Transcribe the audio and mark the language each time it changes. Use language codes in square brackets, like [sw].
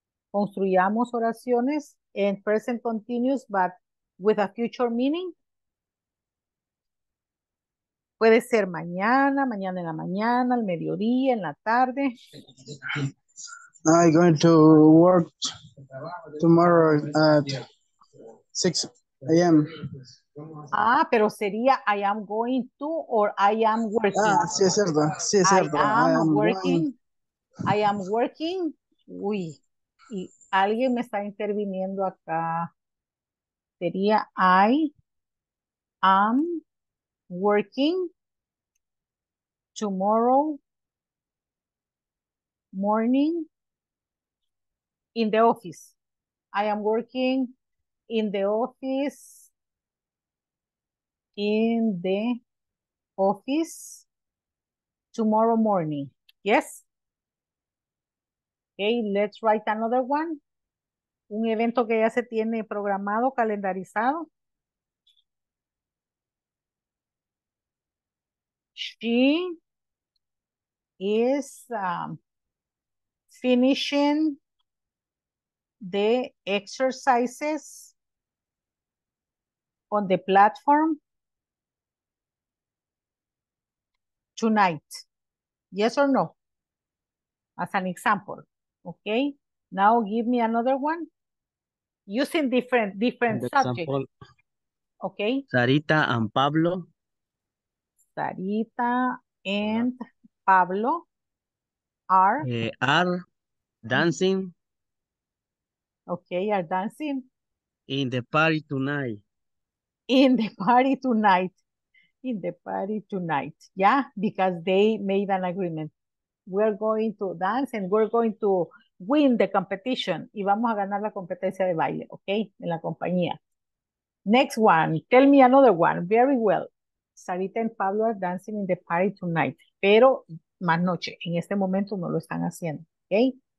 [es] Construyamos oraciones en [en] present continuous, but with a future meaning. [es] Puede ser mañana, mañana en la mañana, al mediodía, en la tarde. [en] I'm going to work tomorrow at 6 a.m. [es] Ah, pero sería [en] I am going to or I am working. [es] Ah, sí, es cierto. Sí, es cierto. [en] I am working. [es] Uy, y alguien me está interviniendo acá. Sería [en] I am working tomorrow morning. In the office. I am working in the office. In the office tomorrow morning. Yes? Okay, let's write another one. [es] Un evento que ya se tiene programado, calendarizado. [en] She is finishing the exercises on the platform tonight. Yes or no? As an example. Okay. Now give me another one. Using different subjects. Okay. Sarita and Pablo. Sarita and Pablo are dancing. Okay, are dancing. In the party tonight. Yeah, because they made an agreement. We're going to dance and we're going to win the competition. [es] Y vamos a ganar la competencia de baile, okay, en la compañía. [en] Next one, tell me another one. Very well. Sarita and Pablo are dancing in the party tonight. [es] Pero más noche, en este momento no lo están haciendo, okay?